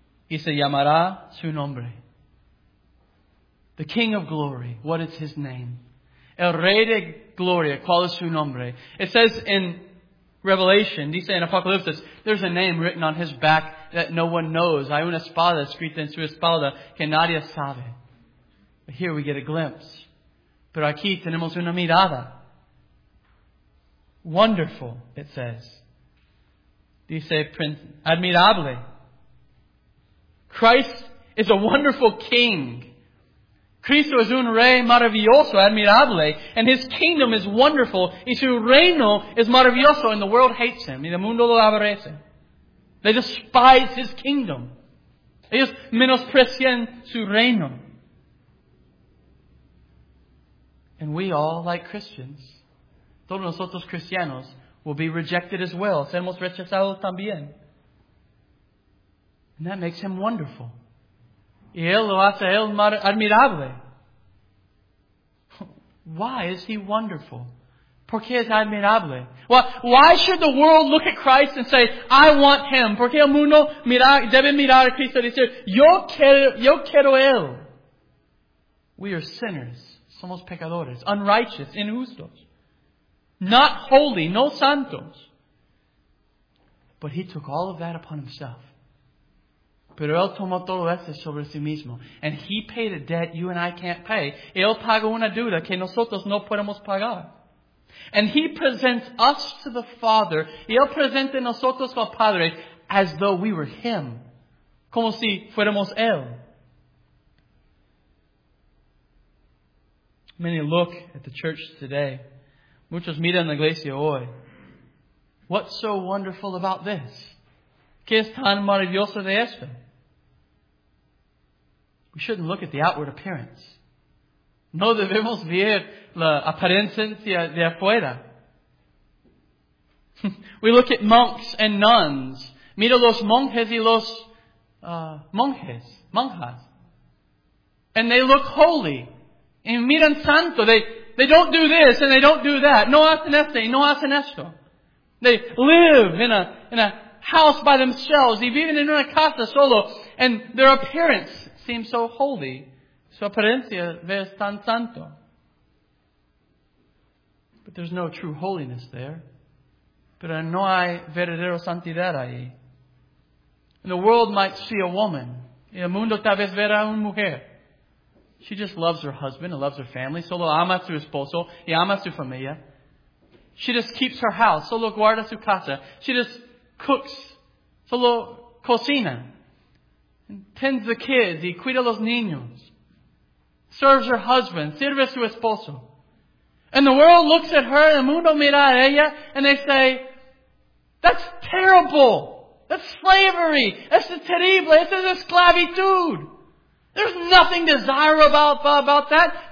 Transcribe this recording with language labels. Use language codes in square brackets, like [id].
[es] Y se llamará su nombre. [en] The King of Glory. What is His name? [es] El Rey de Gloria. ¿Cuál es su nombre? [en] It says in Revelation. [es] Dice en Apocalypse. [en] There's a name written on His back that no one knows. [es] Hay una espada escrita en su espalda que nadie sabe. [en] But here we get a glimpse. [es] Pero aquí tenemos una mirada. [en] Wonderful, it says. [es] Dice, admirable. [en] Christ is a wonderful king. [es] Cristo es un rey maravilloso, admirable. [en] And His kingdom is wonderful. [es] Y su reino es maravilloso. [en] And the world hates Him. [es] Y el mundo lo aborrece. [en] They despise His kingdom. [es] Ellos menosprecian su reino. [en] And we all, like Christians, [es] todos nosotros cristianos, [en] will be rejected as well. [es] Seremos rechazados también. [en] And that makes Him wonderful. [es] Y Él lo hace Él admirable. [en] Why is He wonderful? [es] ¿Por qué es admirable? [en] Why should the world look at Christ and say, I want Him? [es] ¿Por qué el mundo debe mirar a Cristo y decir, yo quiero Él? [en] We are sinners. [es] Somos pecadores. [en] Unrighteous. [es] Injustos. [en] Not holy, [es] no santos. [en] But He took all of that upon Himself. [es] Pero Él tomó todo eso sobre sí mismo. [en] And He paid a debt you and I can't pay. [es] Él pagó una deuda que nosotros no podemos pagar. [en] And He presents us to the Father. [es] Y Él presenta nosotros al Padre [en] as though we were Him. [es] Como si fuéramos Él. [en] Many look at the church today. [es] Muchos miran la iglesia hoy. [en] What's so wonderful about this? [es] ¿Qué es tan maravilloso de esto? [en] We shouldn't look at the outward appearance. [es] No debemos ver la apariencia de afuera. [en] We look at monks and nuns. [es] Mira los monjes y los monjas. [en] And they look holy. [es] Y miran santo. [en] They don't do this and they don't do that. [es] No hacen este y no hacen esto. [en] They live in a house by themselves. [es] Y viven en una casa solo. [en] And their appearance seems so holy. [es] Su apariencia es tan santo. [en] But there's no true holiness there. [es] Pero no hay verdadero santidad ahí. [en] And the world might see a woman. [es] Y el mundo tal vez verá una mujer. [en] She just loves her husband and loves her family. [es] Solo ama a su esposo y ama a su familia. [en] She just keeps her house. [es] Solo guarda su casa. [en] She just cooks. [es] Solo cocina. [en] And tends the kids [es] y cuida los niños. [en] Serves her husband. [es] Sirve a su esposo. [en] And the world looks at her, [es] el mundo mira a ella, [en] and they say, that's terrible. That's slavery. [es] Eso es terrible. Eso es esclavitud. [en] There's nothing desirable about that.